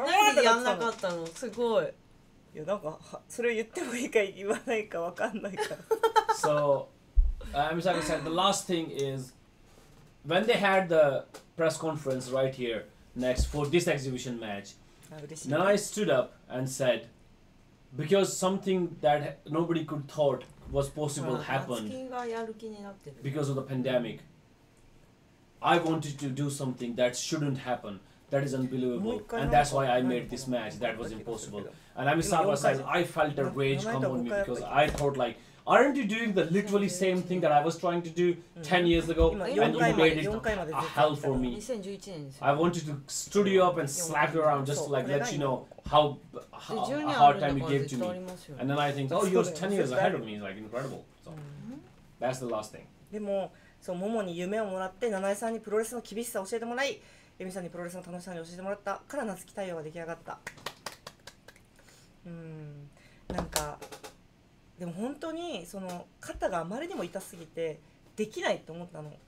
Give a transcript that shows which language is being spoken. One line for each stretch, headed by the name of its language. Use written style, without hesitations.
Japanese: 何でやんなかったのすごいいやなんかそれ言ってもいいか言わないか分かんないから
English: So I'm sorry to say the last thing isWhen they had the press conference right here next for this exhibition match, Nanae stood up and said, because something that nobody could thought was possible happened because of the pandemic, I wanted to do something that shouldn't happen, that is unbelievable, and that's why I made this match, that was impossible. And Ami Sakura said, I felt a rage come on me because I thought like,Aren't you doing the literally same thing that I was trying to do 10 years ago and you made it a hell for me? I wanted to stood you up and slap you around just to like let you know how hard time you gave to me. And then I think, oh, you're 10 years ahead of me. It's like incredible. So, that's the last thing.
Japanese: でも、そう、モモに夢をもらって、ナナエさんにプロレスの厳しさを教えてもらい、エミさんにプロレスの楽しさを教えてもらったから夏期対応が出来上がった。なんか、でも本当にその肩があまりにも痛すぎてできないと思ったの。